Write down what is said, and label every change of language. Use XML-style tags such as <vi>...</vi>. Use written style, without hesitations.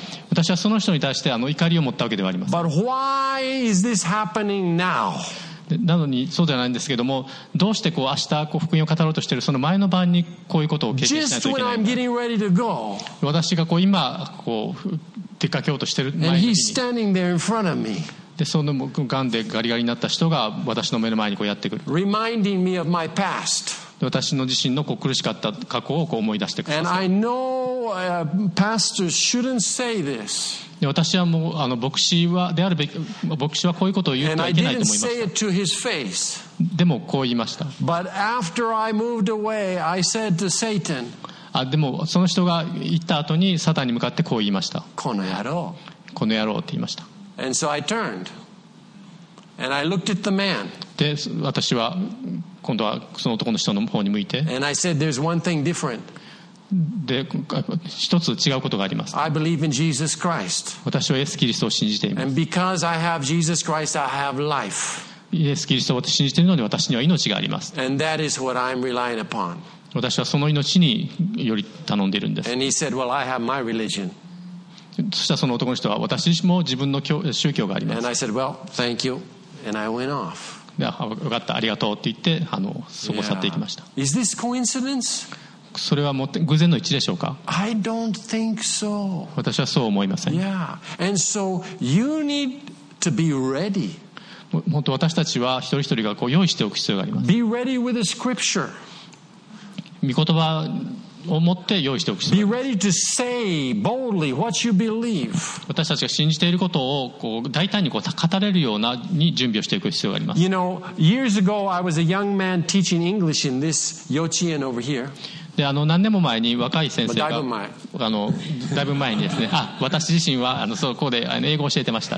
<ja>私はその人に対して怒りを持ったわけではありません。</ja> <en>But why is this happening now?</en> <ja>なのにそうじゃないんですけども、どうしてこう明日こう福音を語ろうとしているその前の晩にこういうことを経験しないといけないのか。</ja> <en>Just when I'm getting ready to go.</en> <ja>私がこう今こう出かけようとしている前の日に。</ja> <en>And he's standing there in front of me.</en> <ja>でそのがんでガリガリになった人が私の目の前にこうやってくる。</ja> <en>Reminding me of my past.</en> <ja>私の自身のこう苦しかった過去をこう思い出してください。</ja> <en>And I know, pastors shouldn't say this.</en> <ja>で私はもう牧師はであるべき、牧師はこういうことを言ってはいけないと思いました。</ja> <en>And I didn't say it to his face.</en> <ja>でもこう言いました。</ja> <en>But after I moved away, I said to Satan.</en> <ja>あでもその人が行った後にサタンに向かってこう言いました。この野郎。この野郎って言いました。</ja> <en>And so I turned, and I looked at the man.</en> <ja>で、私は今度はその男の人の方に向いて。</ja> <en>And I said, "There's one thing different."</en> <ja>で、一つ違うことがあります。</ja> <en>I believe in Jesus Christ.</en> <ja>私はイエス・キリストを信じています。</ja> <en>And because I have Jesus Christ, I have life.</en> <ja>イエス・キリストを信じているので、私には命があります。</ja> <en>And that is what I'm relying upon.</en> <ja>私はその命により頼んでいるんです。</ja> <en>And he said, "Well, I have my religion."</en> <ja>そしたらその男の人は私も自分の宗教があります。</ja> <en>And I said, well, thank you. And I went off.</en> <ja>よかった、ありがとうって言って、そこ去っていきました。</ja> <en>Yeah. Is this coincidence?</en> <ja>それは偶然の一致でしょうか?</ja> <en>I don't think so.</en> <ja>私はそう思いません。</ja> <en>Yeah. And so you need to be ready.</en> <ja>本当私たちは一人一人がこう用意しておく必要があります。</ja> <en>Be ready with the scripture.</en> <ja>御言葉を持って用意しておく必要があります。</ja> <en>Be ready to say boldly what you believe.</en> <ja>私たちが信じていることをこう大胆にこう語れるように準備をしておく必要があります。</ja> <en>You know, years ago I was a young man teaching English in this 幼稚園 over here.</en> <ja>で何年も前に若い先生がだいぶ前にですね、あ、私自身はそうこうで英語を教えてました。</ja>